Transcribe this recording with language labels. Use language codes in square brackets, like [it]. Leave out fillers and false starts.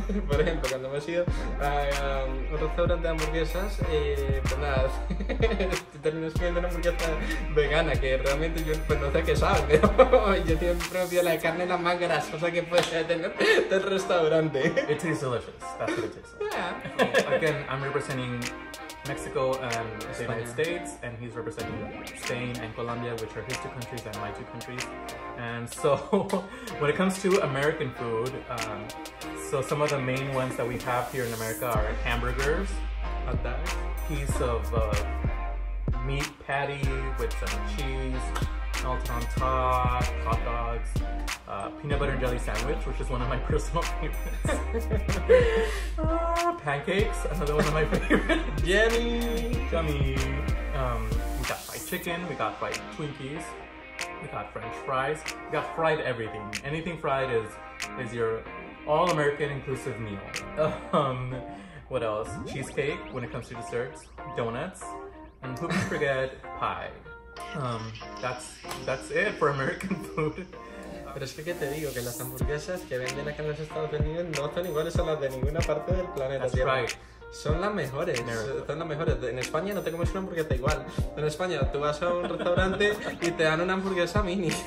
[es] Por ejemplo, cuando hemos ido a un restaurante de hamburguesas, pues nada, terminas comiendo una hamburguesa vegana, que realmente yo pues no sé qué sabe, pero yo siempre pido la carne la más grasosa que puede tener del restaurante. [en] It tastes delicious. That's what it tastes like. Yeah. Again, I'm representing Mexico and the United States, and he's representing Spain and Colombia, which are his two countries and my two countries. And so, when it comes to American food, so some of the main ones that we have here in America are hamburgers, a piece of meat patty with some cheese, melted on top, hot dogs, peanut butter and jelly sandwich, which is one of my personal favorites. pancakes, another one of my favorites. Yummy! We got fried chicken, we got fried Twinkies, we got French fries, we got fried everything. Anything fried is your all-American inclusive meal. What else? Cheesecake, when it comes to desserts, donuts, and who can forget, pie. That's it for American food. [es] Pero es que te digo que las hamburguesas que venden acá en los Estados Unidos no son iguales a las de ninguna parte del planeta. [en] That's [es] tierra. [en] Right. [es] Son las mejores, America. Son las mejores. En España no te comes una hamburguesa igual. En España tú vas a un restaurante y te dan una hamburguesa mini.